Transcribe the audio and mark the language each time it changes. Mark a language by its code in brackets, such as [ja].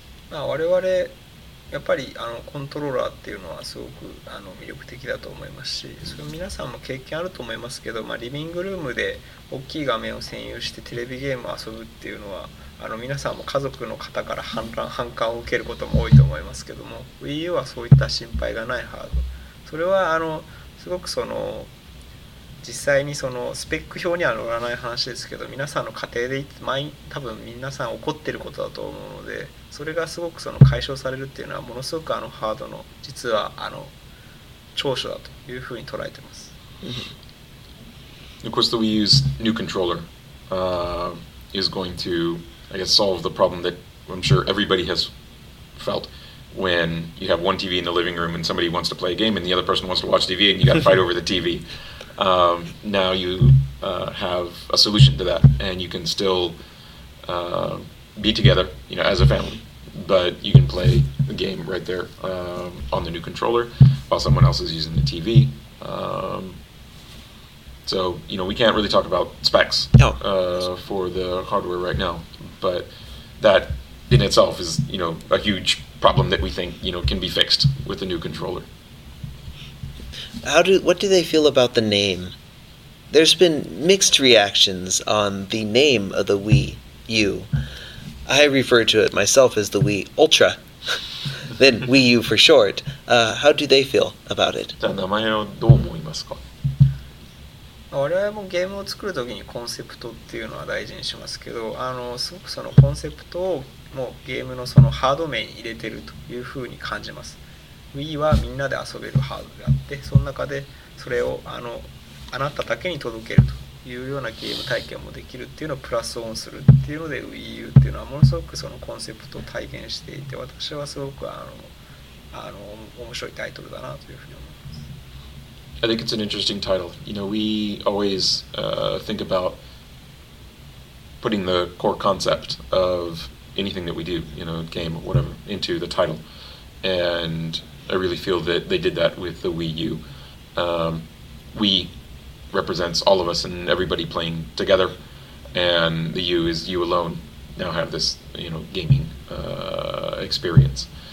[ja] まあ、我々、やっぱりコントローラーっていうのはすごく魅力的だと思いますし、それ皆さんも経験あると思いますけど、まあ、リビングルームで大きい画面を占有してテレビゲームを遊ぶっていうのは皆さんも家族の方から反乱反感を受けることも多いと思いますけども、 Wii U はそういった心配がないハード、それはすごくその実際にそのスペック表には載らない話ですけど、皆さんの家庭で多分皆さん怒ってることだと思うので、それがすごくその解消されるっていうのはものすごくハードの実は長所だというふうに捉えてます。 [en] Of course the Wii U's new controller is going to, I guess, solve the problem that I'm sure everybody has felt when you have one TV in the living room and somebody wants to play a game and the other person wants to watch TV and you got to fight over the TV. Now you have a solution to that, and you can still be together, you know, as a family, but you can play the game right there on the new controller while someone else is using the TV. So, you know, we can't really talk about specs for the hardware right now, but that in itself is, you know, a huge problem that we think, you know, can be fixed with the new controller. What do they feel about the name? There's been mixed reactions on the name of the Wii U. I refer to it myself as the Wii Ultra, then Wii U for short. How do they feel about it? [ja] じゃあ名前をどう思いますか？我々もゲームを作るときにコンセプトっていうのは大事にしますけど、すごくそのコンセプトをもうゲームのそのハード面に入れてるというふうに感じます。 Wii はみんなで遊べるハードであって、その中でそれをあなただけに届けるというようなゲーム体験もできるっていうのをプラスオンするっていうので、Wii U っていうのはものすごくそのコンセプトを体現していて、私はすごく面白いタイトルだなというふうに思います。 [en] I think it's an interesting title. You know, we always think about putting the core concept of anything that we do, you know, game or whatever, into the title. And... I really feel that they did that with the Wii U. Wii represents all of us and everybody playing together, and the U is you alone now have this, you know, gaming experience.